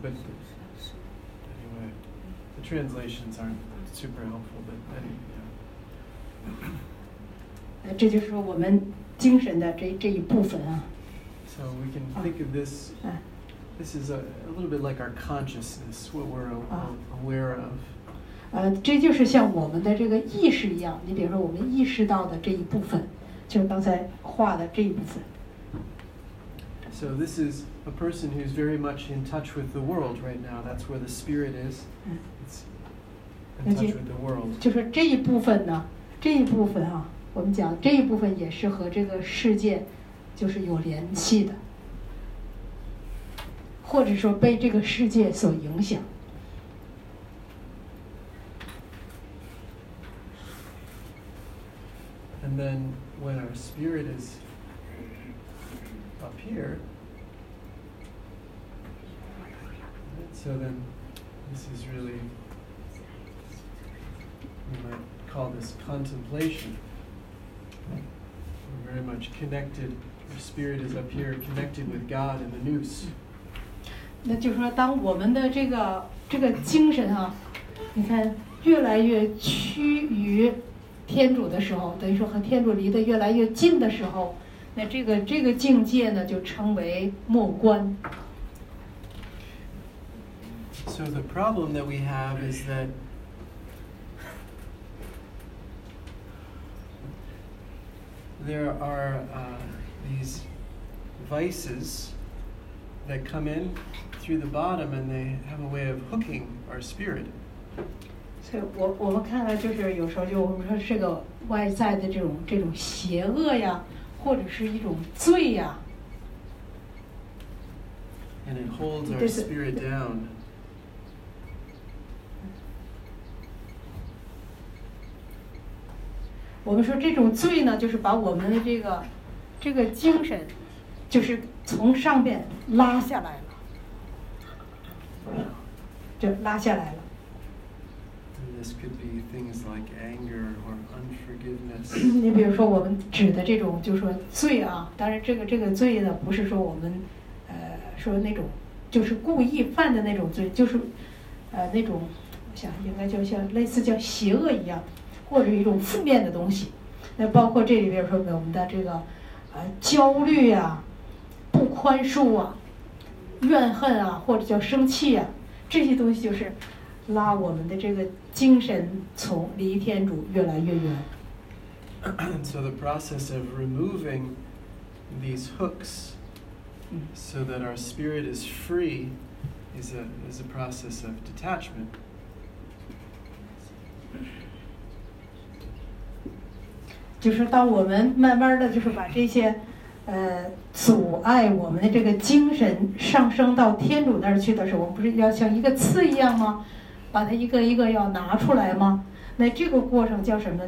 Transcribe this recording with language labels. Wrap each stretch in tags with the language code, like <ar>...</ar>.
<en>But anyway, the translations aren't super helpful, but anyway, yeah.</en> <zh>这就是我们精神的这一部分啊。</zh> <en>So we can think of this. This is a little bit like our consciousness, what we're aware of.</en> <zh>这就是像我们的这个意识一样，你比如说我们意识到的这一部分，就是刚才画的这一部分。</zh> <en>So this is a person who's very much in touch with the world right now. That's where the spirit is. It's in touch with the world.</en> <zh>就是这一部分呢，这一部分啊，我们讲这一部分也是和这个世界就是有联系的。或者说被这个世界所影响。</zh> <en>And then when our spirit is up here, so then this is really, we might call this contemplation. We're very much connected, our spirit is up here, connected with God in the nous.</en> <zh>那就是说当我们的这个精神啊，你看越来越趋于天主的时候，等于说和天主离得越来越近的时候，那这个境界呢就称为默观。</zh> <en>So the problem that we have is that there are these vices that come inthrough the bottom and they have a way of hooking our spirit.</en> <zh>So, 我们看了就是有时候就我们说这个外在的这种邪恶呀或者是一种罪呀。</zh> <en>And it holds our spirit down.</en> <zh>This, 我们说这种罪呢就是把我们的这个精神就是从上面拉下来了。就拉下来了。</zh> <en>And this could be things like anger or unforgiveness.</en> <zh>你比如说我们指的这种就是说罪啊，当然这个罪呢不是说我们说那种就是故意犯的那种罪，就是那种我想应该就像类似叫邪恶一样或者一种负面的东西，那包括这里边说我们的这个焦虑啊，不宽恕啊，怨恨啊，或者叫生气啊，这些东西就是拉我们的这个精神从离天主越来越远。</zh> <en>So the process of removing these hooks, so that our spirit is free, is a process of detachment.</en> <zh>就是当我们慢慢的，就是把这些。阻碍我们的这个精神上升到天主那儿去的时候，我们不是要像一个刺一样吗？把它一个一个要拿出来吗？那这个过程叫什么呢？</zh>